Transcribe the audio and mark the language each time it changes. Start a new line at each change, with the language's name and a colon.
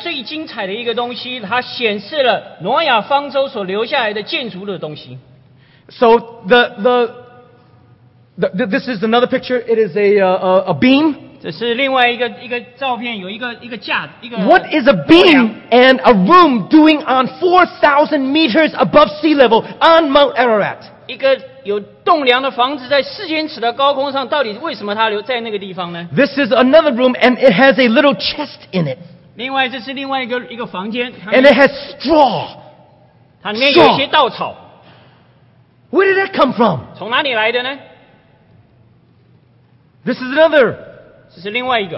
Chinese: 这一个所找到的东西是人类历史以来最精彩的一个东西, 它显示了挪亚方舟所留下来的建筑的东西。
English: So this is another picture. It is a beam.
Chinese: 这是另外一个照片，有一个架，一个。
English: What is a beam and a room doing on 4,000 meters above sea level on Mount Ararat?
Chinese: 一个有栋梁的房子在4000尺的高空上，到底为什么它留在那个地方呢？
English: This is another room, and it has a little chest in it.
Chinese: 另外，这是另外一个房间。
English: And it has straw.
Chinese: 它里面有一些稻草。
English: Where did that come from?
Chinese: 从哪里来的呢？
English: This is another.
Chinese: 这是另外一个.